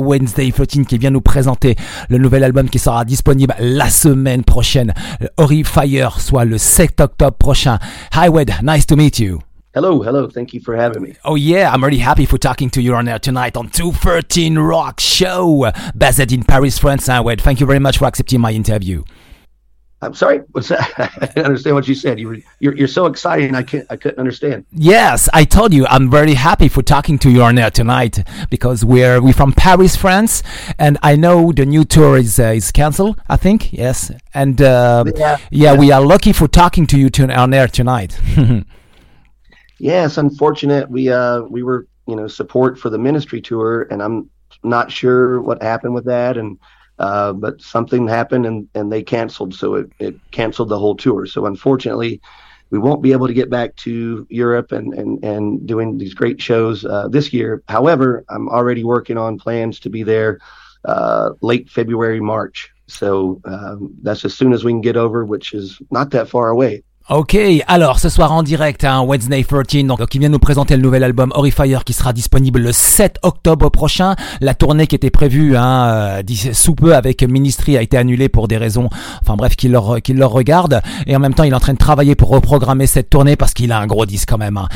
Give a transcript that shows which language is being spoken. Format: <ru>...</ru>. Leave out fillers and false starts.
<fr>Wednesday 13 qui vient nous présenter le nouvel album qui sera disponible la semaine prochaine, Horrifier, soit le 7 octobre prochain.</fr> <en>Hi Wed, nice to meet you. Hello, thank you for having me. Oh yeah, I'm really happy for talking to you on air tonight on 213 Rock Show, based in Paris, France. Hi Wed, thank you very much for accepting my interview. I'm sorry. What's that? I didn't understand what you said. You're so excited. I couldn't understand. Yes, I told you. I'm very happy for talking to you on air tonight because we're from Paris, France, and I know the new tour is canceled. I think yes, and yeah, we are lucky for talking to you on air tonight. Yes, unfortunate. We were support for the ministry tour, and I'm not sure what happened with that and. But something happened and they canceled. So it canceled the whole tour. So unfortunately, we won't be able to get back to Europe and doing these great shows this year. However, I'm already working on plans to be there late February, March. So that's as soon as we can get over, which is not that far away.</en> <fr>Ok, alors ce soir en direct, hein, Wednesday 13, donc il vient nous présenter le nouvel album Horrifier qui sera disponible le 7 octobre prochain. La tournée qui était prévue sous peu avec Ministry a été annulée pour des raisons, enfin bref, qui leur regardent. Et en même temps, il est en train de travailler pour reprogrammer cette tournée parce qu'il a un gros disque quand même. Hein.</fr>